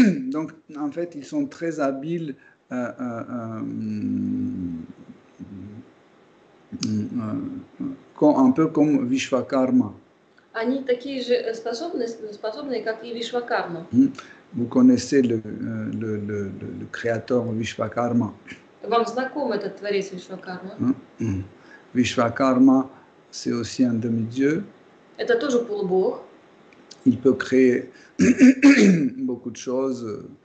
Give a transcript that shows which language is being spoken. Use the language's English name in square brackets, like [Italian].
[French] Donc, en fait, ils sont très habiles un peu comme Vishwakarma. [Russian] Они такие же способные, как и Вишвакарма. [French] Vous connaissez le créateur Vishwakarma. [Russian] Вам знаком этот творец Вишвакарма? [French] Vishwakarma, c'est aussi un demi-dieu. [Russian] Это тоже полубог. [French] Il peut créer beaucoup de choses.